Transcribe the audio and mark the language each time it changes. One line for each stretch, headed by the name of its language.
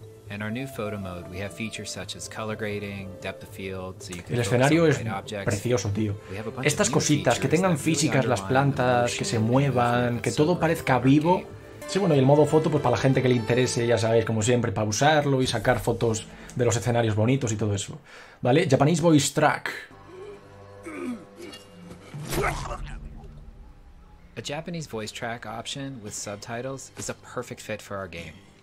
English: En our new photo mode, we have features such as color grading, depth of field, so you can.
Spanish: El escenario es precioso, tío. Estas cositas, que tengan físicas las plantas, que se muevan, que todo parezca vivo. Sí, bueno, y el modo foto, pues para la gente que le interese, ya sabéis, como siempre, para usarlo y sacar fotos de los escenarios bonitos y todo eso.
English: ¿Vale? Japanese voice track. A Japanese voice track option with subtitles is a perfect fit for our game.